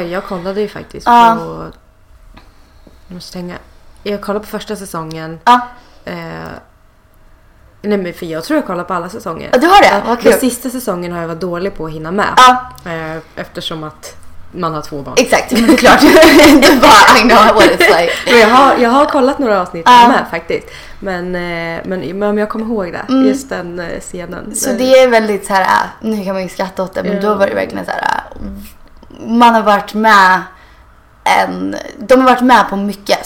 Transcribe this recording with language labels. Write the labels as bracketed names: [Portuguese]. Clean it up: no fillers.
[Swedish] Jag kollade ju faktiskt på, jag måste tänka, jag kollade på första säsongen. Nej, men för jag tror jag kollar på alla säsonger. Du har det? Okay. Den sista säsongen har jag varit dålig på att hinna med. Ja. Eftersom att man har två barn. Exakt, men det är klart. Du bara, [English] I know what it's like. [Swedish] Men jag har kollat några avsnitt med faktiskt. Men om jag kommer ihåg det, just den scenen. Så det är väldigt så här, nu kan man ju skratta åt det, men då var det verkligen så här, man har varit med. De har varit med på mycket.